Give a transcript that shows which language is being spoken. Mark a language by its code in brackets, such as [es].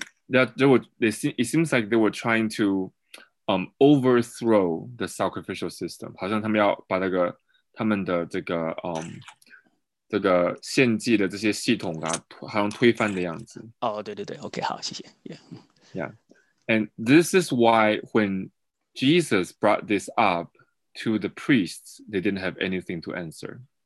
[en] It seems like they were trying to overthrow the sacrificial system. [zh] 好像他们要把那个他们的这个这个献祭的这些系统啊，好像推翻的样子。哦、oh, ，对对对 ，OK， 好，谢谢。 [en] Yeah. Yeah, and this is why when Jesus brought this up to the priests, they didn't have anything to answer.